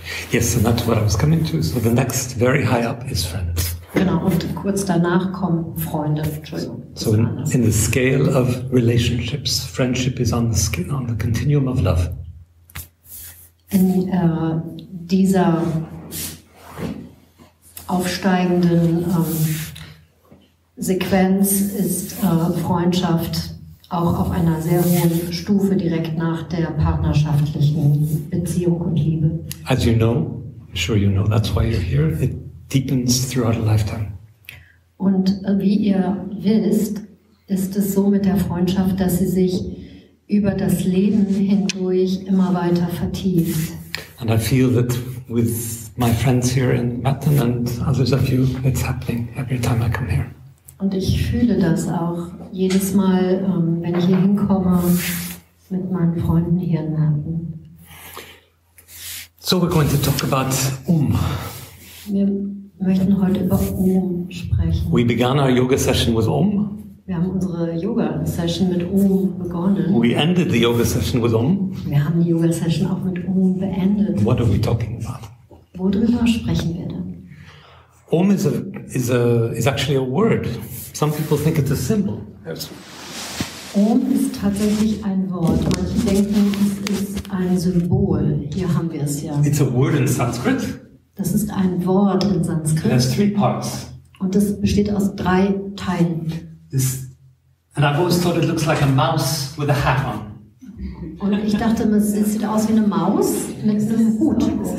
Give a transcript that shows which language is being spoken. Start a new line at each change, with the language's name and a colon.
English: Yes, and that's what I was coming to. So the next very high up is friends.
German: Genau, und kurz danach kommen Freunde. Entschuldigung.
English: So in the scale of relationships, friendship is on the continuum of love.
German: In dieser aufsteigenden Sequenz ist Freundschaft auch auf einer sehr hohen Stufe direkt nach der partnerschaftlichen Beziehung und Liebe.
English: As you know, I'm sure you know, that's why you're here. It deepens throughout a lifetime.
German: Und wie ihr wisst, ist es so mit der Freundschaft, dass sie sich über das Leben hindurch immer weiter vertieft.
English: And I feel that with my friends here in Matten and others of you, it's happening every time I come here.
German: Und ich fühle das auch jedes Mal, wenn ich hier hinkomme mit meinen Freunden hier in Merten.
English: So, we're going to talk about Om.
German: Wir möchten heute über Om sprechen.
English: We began our yoga session with Om.
German: Wir haben unsere Yoga-Session mit Om begonnen.
English: We ended the yoga session with Om.
German: Wir haben die Yoga-Session auch mit Om beendet.
English: What are we talking about?
German: Worüber sprechen wir denn?
English: Om is actually a word. Some people think it's a symbol.
German: Om ist tatsächlich ein Wort. Manche denken, es ist ein Symbol. Hier haben wir es ja.
English: It's a word in Sanskrit.
German: Das ist ein Wort in Sanskrit.
English: It has three parts.
German: Und es besteht aus drei Teilen.
English: This, and I've always thought it looks like a mouse with a hat on.
German: Und ich dachte, es sieht aus wie eine Maus mit einem Hut.